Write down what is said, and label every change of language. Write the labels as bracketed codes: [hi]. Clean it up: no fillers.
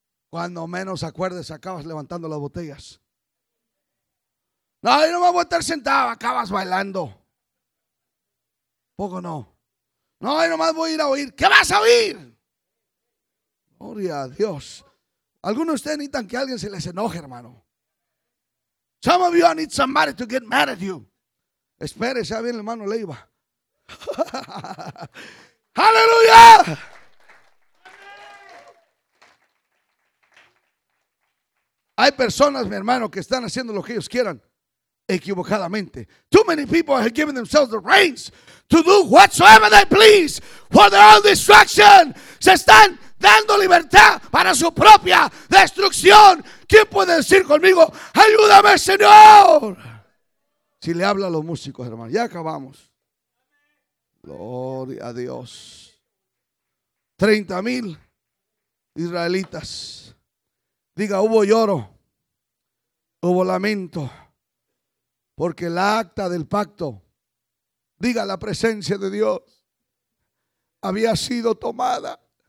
[es] Cuando menos acuerdes, acabas levantando las botellas. No, yo no me voy a estar sentado, acabas bailando. ¿Poco no? No, yo nomás voy a ir a oír. ¿Qué vas a oír? Gloria a Dios. Algunos de ustedes necesitan que alguien se les enoje, hermano. [en] Some of you need somebody to get mad at you. [es] Espere, sea bien, hermano Leiva. ¡Aleluya! Hay personas, mi hermano, que están haciendo lo que ellos quieran equivocadamente. [en] Too many people have given themselves the reins to do whatsoever they please for their own destruction. [es] Se están dando libertad para su propia destrucción. ¿Quién puede decir conmigo, ayúdame, Señor? Si le habla a los músicos, hermano, ya acabamos. Gloria a Dios. 30,000 israelitas. Diga, hubo lloro, hubo lamento, porque la acta del pacto, diga, la presencia de Dios había sido tomada.